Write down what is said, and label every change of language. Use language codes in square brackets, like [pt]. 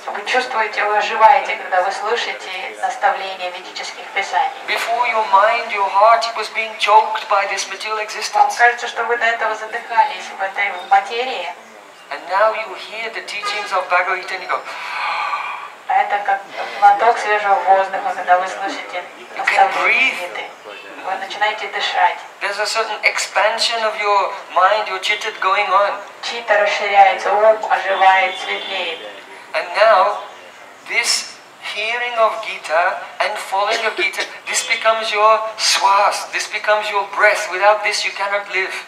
[ru] Вы чувствуете, вы оживаете, когда вы слушаете наставления ведических писаний. [en] Before your mind, your heart was being choked by this material existence. [ru] Вам кажется, что вы до этого задыхались в этой материи. [en] And now you hear the teachings of Bhagavad-Gita, you go. [ru] Это как глоток свежего воздуха, когда вы слушаете наставления. Вы начинаете дышать. [en] There's a certain expansion of your mind, your chitta going on. [ru] Чита расширяется, ум оживает, светлеет. [en] And now, this hearing of Gita and following of Gita, this becomes your swas, this becomes your breath. Without this, you cannot live.